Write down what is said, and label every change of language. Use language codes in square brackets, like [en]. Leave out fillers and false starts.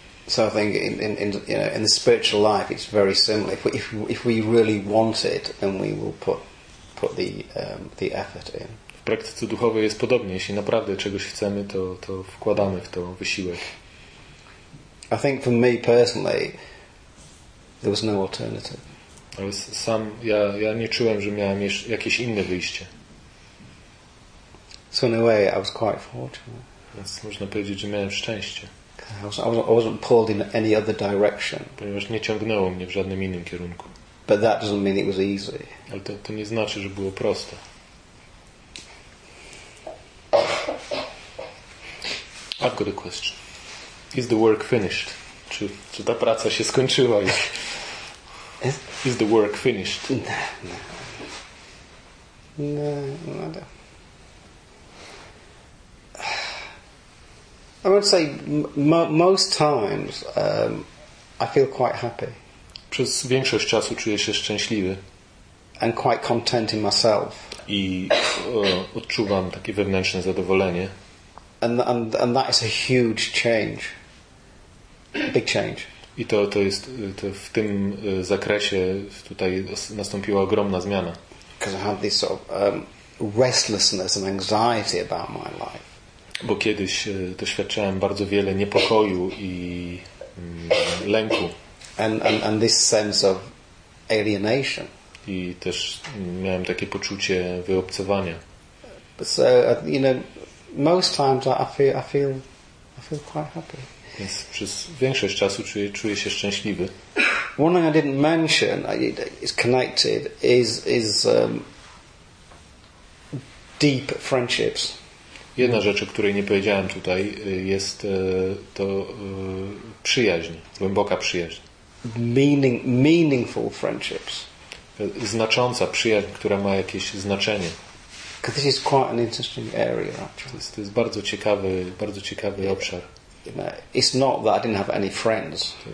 [en] So I think in the spiritual life it's very similar. If we really want it, then we will put the effort in. [pl] W praktyce duchowej jest podobnie. Jeśli naprawdę czegoś chcemy, to wkładamy w to wysiłek. [en] I think for me personally, there was no alternative. [pl] Ale sam ja nie czułem, że miałem jakieś inne wyjście. [en] So in a way, I was quite fortunate. [pl] Więc można powiedzieć, że miałem szczęście. [en] I wasn't pulled in any other direction. [pl] Ponieważ nie ciągnęło mnie w żadnym innym kierunku. [en] But that doesn't mean it was easy. [pl] Ale to nie znaczy, że było proste. [en] I've got a question. Is the work finished? [pl] Czy ta praca się skończyła już? [en] Is the work finished? No. I would say most times I feel quite happy. [pl] Przez większość czasu czuję się szczęśliwy. [en] And quite content in myself. [pl] I odczuwam takie wewnętrzne zadowolenie. [en] And that is a huge change. Big change. [pl] I to jest to w tym zakresie tutaj nastąpiła ogromna zmiana. [en] Because I had this sort of restlessness and anxiety about my life. [pl] Bo kiedyś doświadczałem bardzo wiele niepokoju i lęku. [en] And this sense of alienation. [pl] I też miałem takie poczucie wyobcowania. [en] So you know, most times I feel quite happy. [pl] Więc przez większość czasu czuję się szczęśliwy. [en] One thing I didn't mention is connected is deep friendships. [pl] Jedna rzecz, o której nie powiedziałem tutaj, jest to przyjaźń, głęboka przyjaźń. [en] Meaningful friendships. [pl] Znacząca przyjaźń, która ma jakieś znaczenie. [en] Because this is quite an interesting area, actually. [pl] To jest bardzo ciekawy obszar. [en] It's not that I didn't have any friends.